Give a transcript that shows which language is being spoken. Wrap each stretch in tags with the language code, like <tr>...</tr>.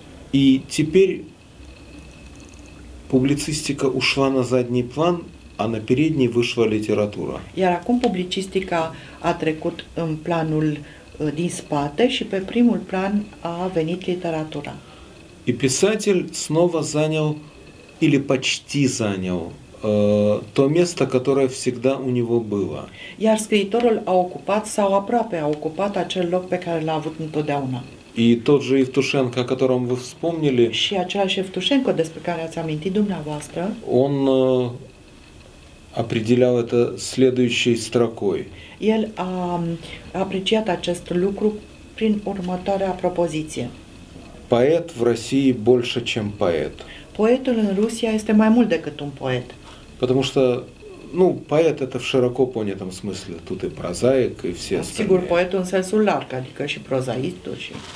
<ru>И теперь публицистика ушла на задний план, а на передний вышла литература.</ru> <ro>Iar acum publicistica a trecut în planul din spate și pe primul plan a venit literatura.</ro> <ru>И писатель снова занял или почти занял то место, которое всегда у него было.</ru> <ro>Iar scriitorul a ocupat sau aproape a ocupat acel loc pe care l-a avut întotdeauna.</ro> <ru>И тот же Евтушенко, о котором вы вспомнили,</ru> <ro>și același Евтушенко, despre care ați amintit dumneavoastră,</ro> <ru>он определял это следующей строкой.</ru> <ro>El a apreciat acest lucru prin următoarea propoziție.</ro> <ru>Поэт в России больше, чем поэт.</ru> <ro>Поэтul în Rusia este mai mult decât un поэт.</ro> <ru>Потому что, ну, поэт это в широко понятом смысле, тут и прозаик, и все остальные.</ru> <ro>Sigur, поэтul în sensul larg, adică și prozaistul și...</ro>